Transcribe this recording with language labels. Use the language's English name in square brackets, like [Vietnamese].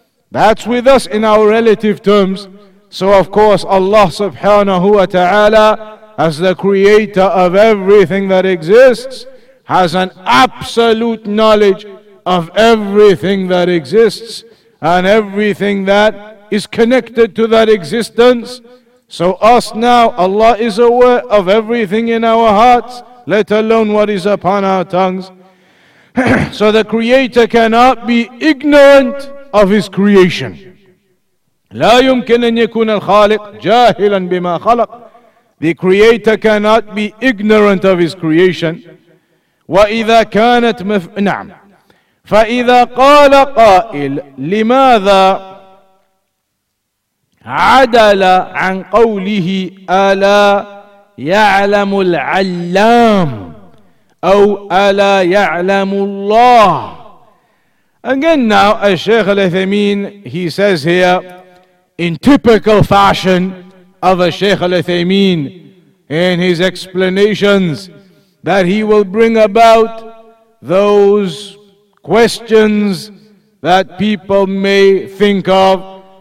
[English] That's with us in our relative terms. So of course, Allah subhanahu wa ta'ala, as the creator of everything that exists, has an absolute knowledge of everything that exists and everything that is connected to that existence. So us now, Allah is aware of everything in our hearts, let alone what is upon our tongues. So the creator cannot be ignorant of His creation. [Arabic] لا يمكن أن يكون الخالق جاهلا بما خلق. [English] The creator cannot be ignorant of His creation. [Arabic] وإذا كانت نعم فإذا قال قائل لماذا عدل عن قوله ألا يعلم العلام أو ألا يعلم الله. [English] Again now, as Shaykh Al-Uthaymeen, he says here, in typical fashion of a Shaykh Al-Uthaymeen, in his explanations, that he will bring about those questions that people may think of.